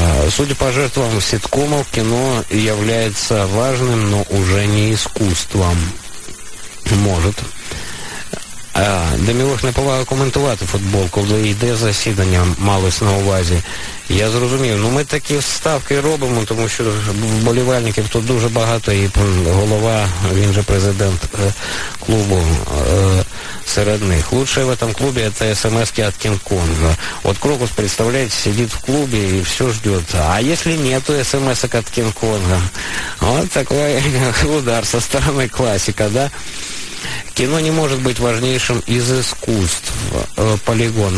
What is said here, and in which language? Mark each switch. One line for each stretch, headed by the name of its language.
Russian: Судя по жертвам ситкомов, кино является важным, но уже не искусством. Может.
Ukrainian: Демілох, не повага коментувати футбол, коли йде засідання, малось на увазі. Я зрозумів. Ну, ми такі ставки робимо, тому що вболівальників тут дуже багато, і голова, він же президент клубу, серед них.
Russian: Лучшее в этом клубе – это смс-ки от Кінг-Конга. От Крокус, представляете, сидит в клубе и все ждет. А если нету смс-ок от Кінг-Конга? Вот такой удар со стороны классика, да? Кино не может быть важнейшим из искусств, «Полигон».